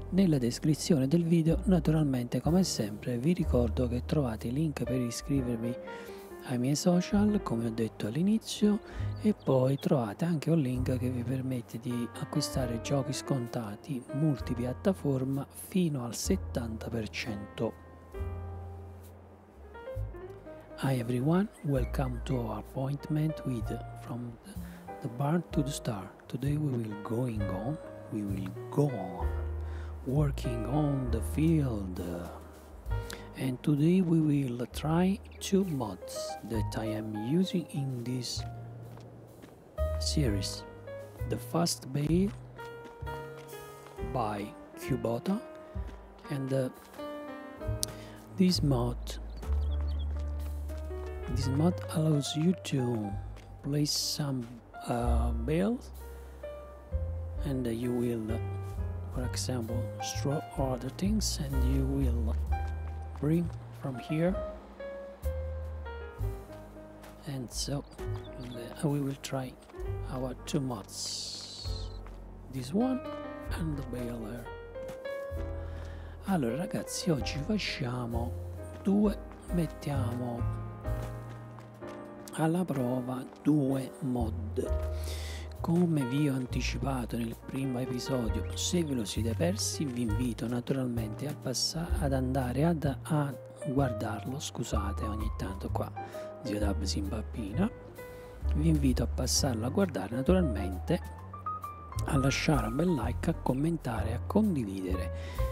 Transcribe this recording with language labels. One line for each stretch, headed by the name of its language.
Italian: Nella descrizione del video, naturalmente, come sempre, vi ricordo che trovate il link per iscrivervi ai miei social, come ho detto all'inizio, e poi trovate anche un link che vi permette di acquistare giochi scontati multipiattaforma fino al 70%.
English: Hi everyone, welcome to our appointment with From the Bar to the Star. Today we will go on working on the field. And today we will try two mods that I am using in this series. The Fast Bay by Cubota, and this mod allows you to place some bales, and you will, for example, straw or other things, and you will bring from here. And so we will try our two mods, this one and the baler.
Italian: Allora ragazzi, oggi facciamo due, mettiamo alla prova due mod. Come vi ho anticipato nel primo episodio, se ve lo siete persi, vi invito naturalmente ad andare a guardarlo, scusate ogni tanto qua, zio Dab si impappina, vi invito a passarlo a guardare naturalmente, a lasciare un bel like, a commentare, a condividere.